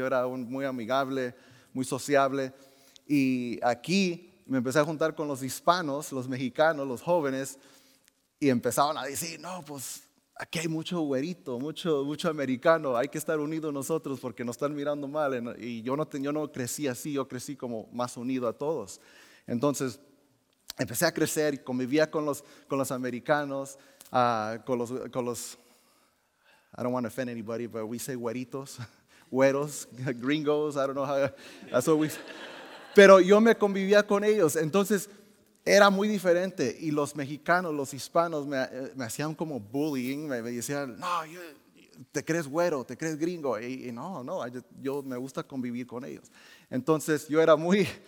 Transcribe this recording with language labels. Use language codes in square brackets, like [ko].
[es] Yo era muy amigable, muy sociable. Y aquí me empecé a juntar con los hispanos, los mexicanos, los jóvenes, y empezaron a decir, no, pues aquí hay mucho güerito, mucho americano, hay que estar unidos nosotros porque nos están mirando mal. Y yo no crecí así, yo crecí como más unido a todos. Entonces empecé a crecer, convivía con los americanos, con los, [en] I don't want to offend anybody, but we say güeritos, güeros, gringos, I don't know how, that's what we say. [es] Pero yo me convivía con ellos, entonces era muy diferente. Y los mexicanos, los hispanos me hacían como bullying, me decían, no, te crees güero, te crees gringo. Y no, yo me gusta convivir con ellos. Entonces yo era muy,